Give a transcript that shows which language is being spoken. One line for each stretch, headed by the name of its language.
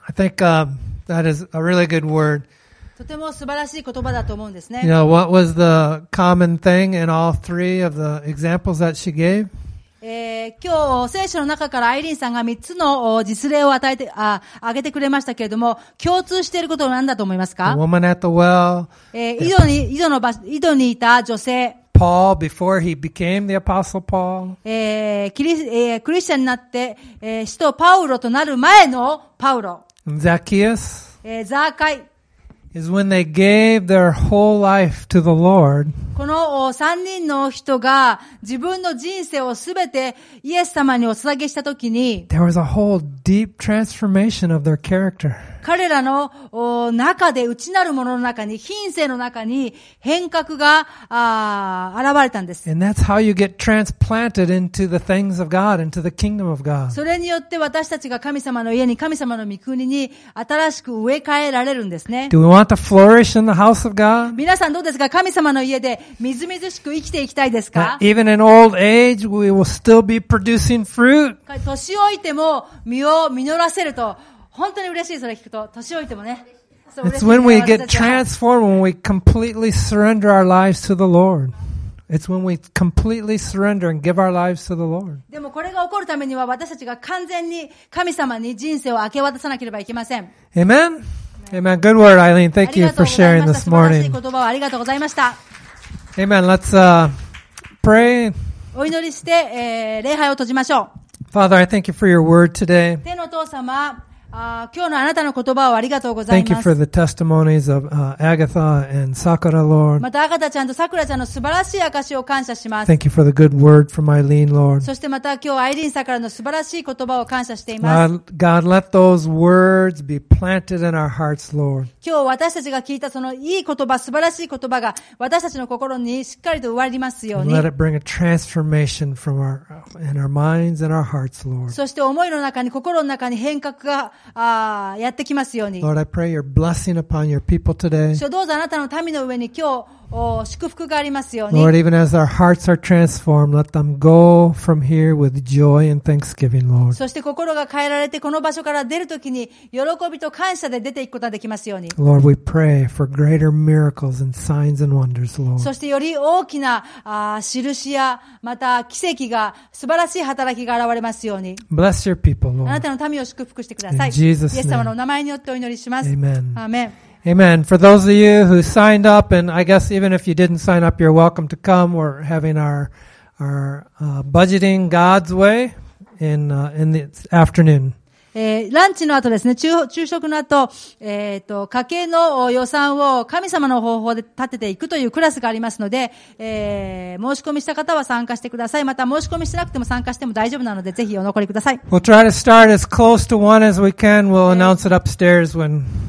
English: I think, that is a really good word.
Japanese: とても素晴らしい言葉だと思うんですね。
English: You know, what was the common thing in all three of the examples that she gave?
Japanese: 今日、聖書の中からアイリンさんが3つの実例を与えて、挙げてくれましたけれども、共通していることは何だと思いますか？
English: The woman at the well.
Japanese: 井戸にいた女性。
English: Paul before he became the apostle Paul.
Japanese: クリスチャンになって、使徒パウロとなる前のパウロ。
English: Zacchaeus.
Japanese: ザーカイ。
English: Is when they gave their whole life to the Lord.
Japanese: この三人の人が自分の人生をすべてイエス様にお捧げしたときに、
English: There was a whole deep transformation of their character.
Japanese: 彼らの中で内なるものの中に、品性の中に変革が現れたんです。
English: And that's how you get transplanted into the things of God, into the kingdom of God.
Japanese: それによって私たちが神様の家に、神様の御国に新しく植え替えられるんですね。
English: We want to flourish in the house of God.
Japanese: 皆さんどうですか？神様の家でみずみずしく生きていきたいですか？
English: Even in old age, we will still be producing fruit.
Japanese: 年老いても実を実らせると本当に嬉しい。それ聞くと年老いてもね。
English: It's when we get transformed when we completely surrender our lives to the Lord. It's when we completely surrender and give our lives to the Lord.
Japanese: でもこれが起こるためには私たちが完全に神様に人生を明け渡さなければいけません。
English: Amen. Amen. Good word, Eileen. Thank you for sharing this morning.
Japanese: ありがとうございました。
English: Amen. Let's, pray.
Japanese: お祈りして、礼拝を閉じましょう。
English: Father, I thank you for your word today.
Japanese: 天のお父様、今日のあなたの言葉をありがとうございます。
English: Thank you for the testimonies of, Agatha and Sakura, Lord.
Japanese: また、アガタちゃんとサクラちゃんの素晴らしい証を感謝します。
English: Thank you for the good word from Eileen, Lord.
Japanese: そしてまた今日、アイリンさんからの素晴らしい言葉を感謝しています。
English: God, let those words be planted in our hearts, Lord.
Japanese: 今日私たちが聞いたそのいい言葉、素晴らしい言葉が私たちの心にしっかりと植わりますように。
English: Let it bring a transformation from our, in our minds and our hearts, Lord.
Japanese: そして思いの中に、心の中に変革がやってきますように。
English: Lord, I pray your blessing upon your people today.
Japanese: 主よ、どうぞあなたの民の上に今日祝福がありますように。
English: Lord, even as our hearts are transformed, let them go from here with joy and thanksgiving, Lord.
Japanese: そして心が変えられてこの場所から出るときに喜びと感謝で出ていくことができますように。
English: Lord, we pray for greater miracles and signs and wonders, Lord.
Japanese: そしてより大きな印やまた奇跡が素晴らしい働きが現れますように。
English: Bless your people, Lord.
Japanese: あなたの民を祝福してください。
English: In Jesus' name.
Japanese: イエス様のお名前によってお祈りします。
English: Amen. Amen. Amen. For those of you who signed up, and I guess even if you didn't sign up, you're welcome to come. We're having our budgeting God's way in the afternoon.
Japanese: ランチの後ですね、昼食の後、家計の予算を神様の方法で立てていくというクラスがありますので、申し込みした方は参加してください。また申し込みしなくても参加しても大丈夫なので、ぜひお残りください。
English: We'll try to start as close to one as we can. We'll announce it upstairs when.